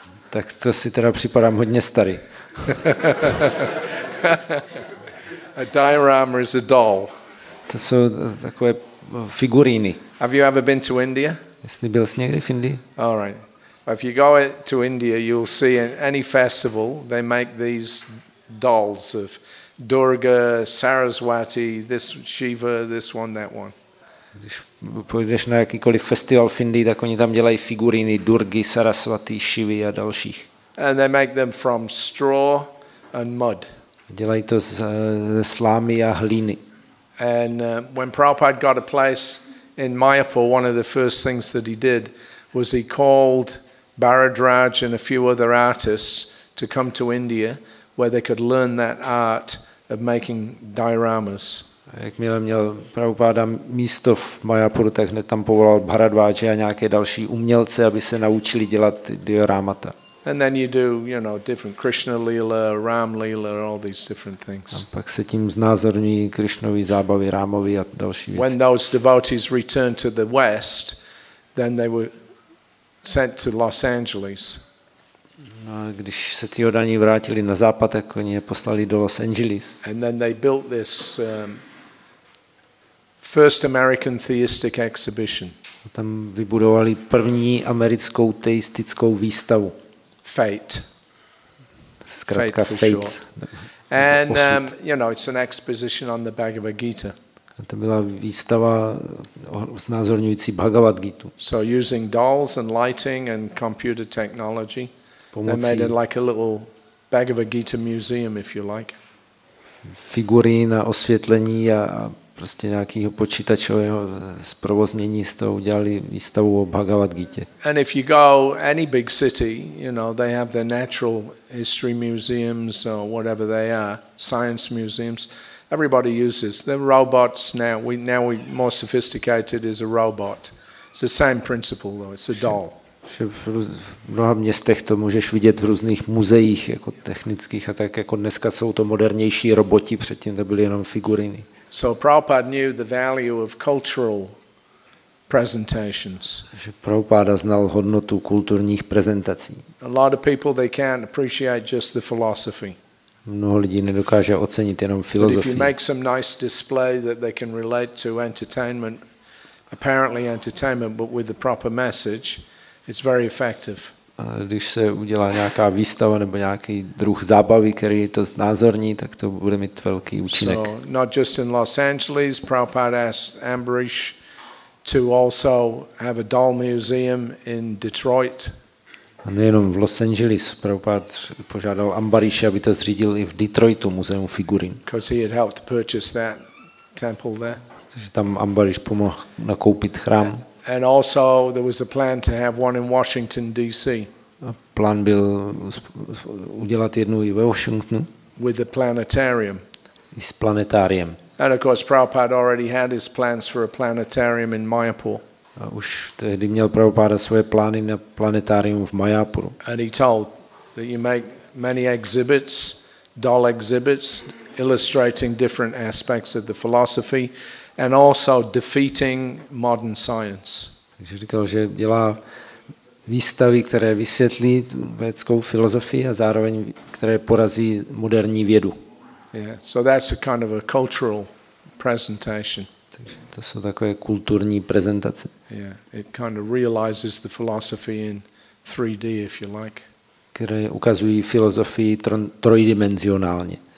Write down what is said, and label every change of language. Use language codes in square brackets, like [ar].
[cs] Tak to si teda připadám hodně starý. [en] A diorama is a doll. [cs] To jsou takové figuríny. [en] Have you ever been to India? [cs] Jestli byl jsi někdy v Indii? [en] All right. If you go to India, you'll see in any festival they make these dolls of Durga, Saraswati, this Shiva, this one, that one. [cs] Když půjdeš na jakýkoliv festival v Indii, tak oni tam dělají figuriny Durgy, Saraswati, Shivy a dalších. [en] And they make them from straw and mud. [cs] Dělají to ze slámy a hlíny. [en] And when Prabhupada got a place in Mayapur, one of the first things that he did was he called Bharadraj and a few other artists to come to India where they could learn that art of making dioramas. [cs] Jakmile měl Prabhupada místo v Mayapuru, tak hned tam povolal Bharadváče a nějaké další umělce, aby se naučili dělat dioramata. [en] And then you do, you know, different Krishna Leela, Ram Leela, all these different things. [cs] A pak se tím znázorní Krishnovy zábavy, Rámovy a další věci. [en] When those devotees returned to the West, then they were sent to Los Angeles. [cs] No, když se ti odaní vrátili na západ, tak oni je poslali do Los Angeles. [en] And then they built this first American theistic exhibition. [cs] A tam vybudovali první americkou teistickou výstavu. [en] Fate. [cs] Zkrátka fate. [en] And you know, it's an exposition on the Bhagavad Gita. [cs] To byla výstava znázorňující Bhagavad Gitu. [en] So using dolls and lighting and computer technology, they made it like a little Bhagavad Gita museum, if you like. [cs] Figurín a osvětlení a prostě nějakého počítačového zprovoznění z toho udělali výstavu o Bhagavad Gitě. [en] And if you go any big city, you know, they have their natural history museums or whatever they are, science museums. Everybody uses the robots now. We more sophisticated is a robot. It's the same principle though. It's a doll. [cs] že v mnoha městech to můžeš vidět v různých muzeích jako technických a tak jako dneska jsou to modernější roboti, předtím to byly jenom figuriny. [en] So Prabhupada knew the value of cultural presentations. [cs] Že Prabhupada znal hodnotu kulturních prezentací. [en] A lot of people they can't appreciate just the philosophy. [cs] Mnoho lidí nedokáže ocenit jenom filozofii. [en] But if you make some nice display that they can relate to entertainment, apparently entertainment, but with the proper message, it's very effective. [cs] Když se udělá nějaká výstava nebo nějaký druh zábavy, který je to znázorní, tak to bude mít velký účinek. [en] So, not just in Los Angeles, Prabhupada asked Ambarish to also have a doll museum in Detroit. [cs] A nejenom v Los Angeles, Prabhupada požádal Ambarisha, aby to zřídil i v Detroitu muzeum figurin. [en] Because he had helped purchase that temple there. [cs] Takže tam Ambarish pomohl nakoupit chrám. [en] And also there was a plan to have one in Washington DC. [cs] Plán byl udělat jednu i ve Washingtonu. [en] With the planetarium. [cs] I s planetáriem. [en] And of course Prabhupada already had his plans for a planetarium in Mayapur. [cs] A už tehdy měl Prabhupada svoje plány na planetárium v Mayapuru. [en] And he told that you make many exhibits, doll exhibits illustrating different aspects of the philosophy. And also defeating modern science. [cs] Takže říkal, že dělá výstavy, které vysvětlí vědeckou filozofii a zároveň které porazí moderní vědu. [en] Yeah, so that's a kind of a cultural presentation. [cs] Takže to jsou takové kulturní prezentace. [en] Yeah, it kind of realizes the philosophy in 3D, if you like. [cs] Které ukazují filozofii trojdimenzionálně.